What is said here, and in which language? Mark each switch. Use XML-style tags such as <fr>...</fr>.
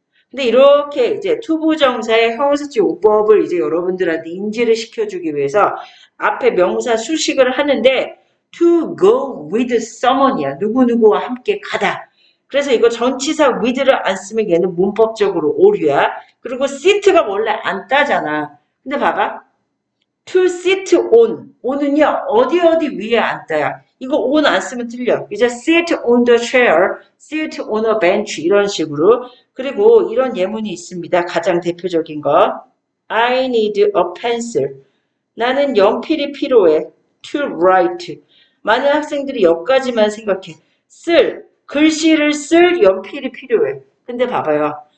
<ko>근데 이렇게 이제 투부정사의 형용사적 용법을 이제 여러분들한테 인지를 시켜주기 위해서 앞에 명사 수식을 하는데,</ko> <en>To go with someone</en> <ko>이야. 누구누구와 함께 가다. 그래서 이거 전치사 with를 안 쓰면 얘는 문법적으로 오류야. 그리고 sit가 원래 안 따잖아. 근데 봐봐.</ko> <en>To sit on.</en> <ko>on은요, 어디 어디 위에 안 따야. 이거 on 안 쓰면 틀려.</ko> <en>이제 sit on the chair, sit on a bench.</en> <ko>이런 식으로. 그리고 이런 예문이 있습니다. 가장 대표적인 거.</ko> <en>I need a pencil.</en> <ko>나는 연필이 필요해.</ko> <en>To write.</en> <ko>많은 학생들이 여기까지만 생각해. 쓸, 글씨를 쓸 연필이 필요해. 근데 봐봐요.</ko>